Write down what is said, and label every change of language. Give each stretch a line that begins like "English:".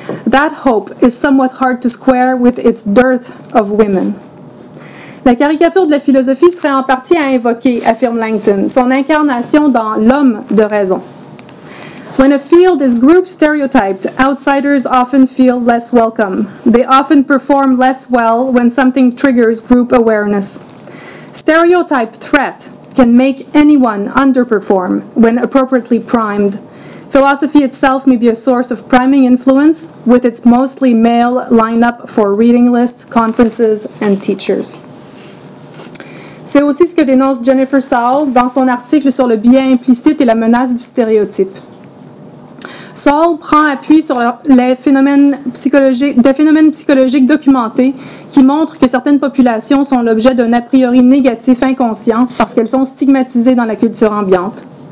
English: That hope is somewhat hard to square with its dearth of women.
French: La caricature de la philosophie serait en partie à invoquer, affirme Langton, son incarnation dans l'homme de raison.
English: When a field is group stereotyped, outsiders often feel less welcome. They often perform less well when something triggers group awareness. Stereotype threat can make anyone underperform when appropriately primed. Philosophy itself may be a source of priming influence with its mostly male lineup for reading lists, conferences, and teachers.
French: C'est aussi ce que dénonce Jennifer Saul dans son article sur le biais implicite et la menace du stéréotype. Saul prend appui sur des phénomènes psychologiques documentés qui montrent que certaines populations sont l'objet d'un a priori négatif inconscient parce qu'elles sont stigmatisées dans la culture ambiante.